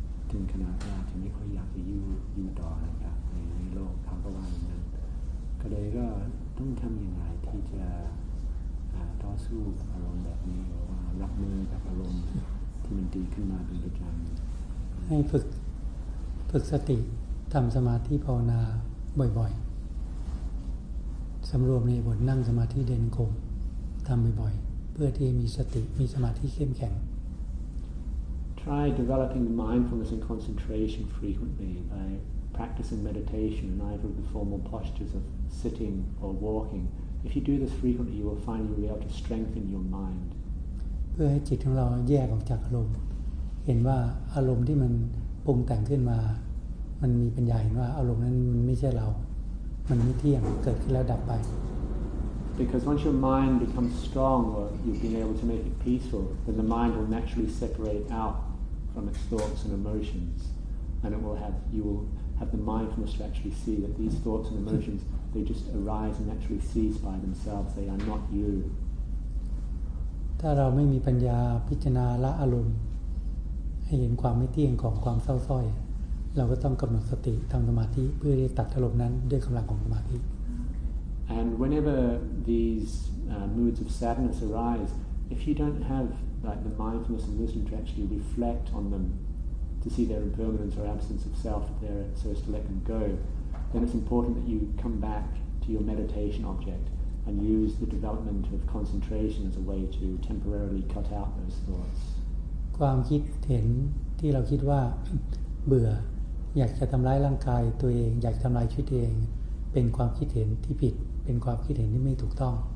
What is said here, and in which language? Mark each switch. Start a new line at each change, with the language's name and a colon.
Thai: ถึงขนาดว่าจะไม่ค่อยอยากจะอยู่ต่อนะครับในโลกครับเพราะว่านั้นก็เลยก็ต้องทำยังไงที่จะต่อสู้กับอารมณ์แบบนี้หรือว่ารับมือกับอารมณ์ที่มันดีขึ้นมาเป็นประจำ ให้ฝึกสติทำสมาธิภาวนาบ่อยๆสำรวมในบทนั่งสมาธิเดินกรมทำบ่อยๆเพื่อที่มีสติมีสมาธิเข้มแข็ง
English: Try developing mindfulness and concentration frequently by practicing meditation in either of the formal postures of sitting or walking. If you do this frequently, you will find you will be able to strengthen your mind.
Thai: เพื่อให้จิตของเราแยกออกจากอารมณ์เห็นว่าอารมณ์ที่มันปรุงแต่งขึ้นมามันมีปัญญาเห็นว่าอารมณ์นั้นมันไม่ใช่เรามันไม่เที่ยงเกิดขึ้นแล้วดับไป
English: Because once your mind becomes strong or you've been able to make it peaceful, then the mind will naturally separate out from its thoughts and emotions, and you will have the mindfulness to actually see that these thoughts and emotions they just arise and naturally cease by themselves. They are not you.
Thai: ถ้าเราไม่มีปัญญาพิจารณาละอารมณ์ให้เห็นความไม่เที่ยงของความเศร้าสร้อยเราก็ต้องกำหนดสติทำสมาธิเพื่อที่ตัดอารมณ์นั้นด้วยกำลังของสมาธิ
English: And whenever these moods of sadness arise, if you don't have like the mindfulness and wisdom to actually reflect on them to see their impermanence or absence of self there, so as to let them go, then it's important that you come back to your meditation object and use the development of concentration as a way to temporarily cut out those thoughts.
Thai: ความคิดเห็นที่เราคิดว่าเบื่ออยากจะทำร้ายร่างกายตัวเองอยากทำลายชีวิตเองเป็นความคิดเห็นที่ผิดเป็นความคิดเห็นที่ไม่ถูกต้อง